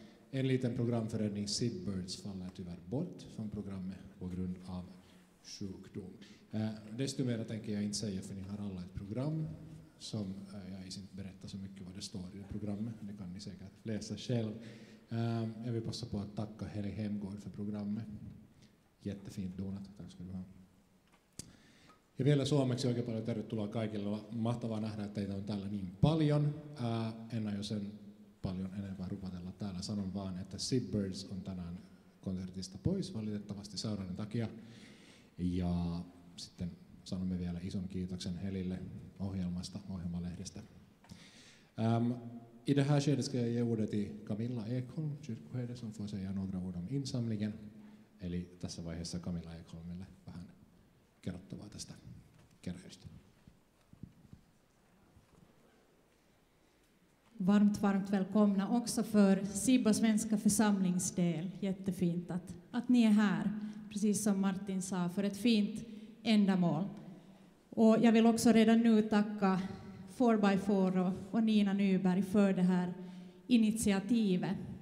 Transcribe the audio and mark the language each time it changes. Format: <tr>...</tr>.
<sv>En liten programförändring, Sibbirds, faller tyvärr bort från programmet på grund av sjukdom. Desto mer tänker jag inte säga, för ni har alla ett program som jag inte berättar så mycket vad det står i det programmet. Det kan ni säkert läsa själv. Jag vill passa på att tacka Heli Hemgård för programmet. Jättefint donat. Tack ska du ha.</sv> <fi>Ja vielä suomeksi oikein paljon tervetuloa kaikille. Mahtavaa nähdä, että teitä on täällä niin paljon. En aio sen paljon enempää rupatella täällä. Sanon vaan, että Sibbirds on tänään konsertista pois valitettavasti sairauden takia. Ja sitten sanomme vielä ison kiitoksen Helille ohjelmasta, ohjelmalehdestä.</fi> <sv>I det här skedet ska jag ge ordet till Camilla Ekholm, kyrkoherde, som får säga några ord om insamlingen.</sv> <fi>Eli tässä vaiheessa Camilla Ekholmille vähän kerrottavaa tästä keräystä.</fi> <sv>Varmt, varmt välkomna också för Sibbo svenska församlingsdel. Jättefint att ni är här, precis som Martin sa, för ett fint ändamål. Och jag vill också redan nu tacka 4x4 och Nina Nyberg för det här initiativet.</sv>